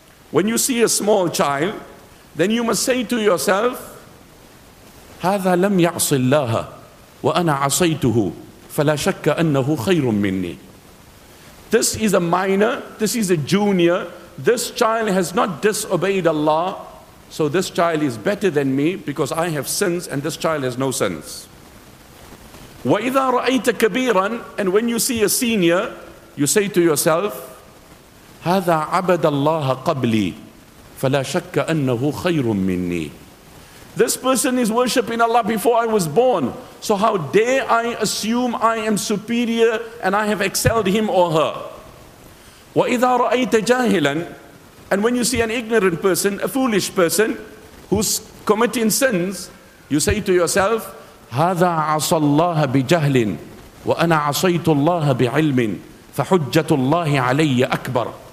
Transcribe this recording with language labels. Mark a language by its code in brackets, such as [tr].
[en] When you see a small child, then you must say to yourself, [ar] هَذَا لَمْ يَعْصِ اللَّهَ وَأَنَا عَصَيْتُهُ فَلَا شَكَّ أَنَّهُ خَيْرٌ مِّنِّي. [en] This is a minor, this is a junior, this child has not disobeyed Allah, so this child is better than me because I have sins and this child has no sins. [ar] وَإِذَا رَأَيْتَ كَبِيرًا, [en] and when you see a senior, you say to yourself, [ar] هَذَا عَبَدَ اللَّهَ قَبْلِي فَلَا شَكَّ أَنَّهُ خَيْرٌ مِّنِّي. [en] This person is worshipping Allah before I was born, so how dare I assume I am superior and I have excelled him or her. [ar] وَإِذَا رَأَيْتَ جَاهِلًا, [en] and when you see an ignorant person, a foolish person who's committing sins, you say to yourself, [ar] هَذَا عَصَى اللَّهَ بِجَهْلٍ وَأَنَا عَصَيْتُ اللَّهَ بِعِلْمٍ فَحُجَّةُ اللَّهِ عَلَيَّ أَكْبَرٌ.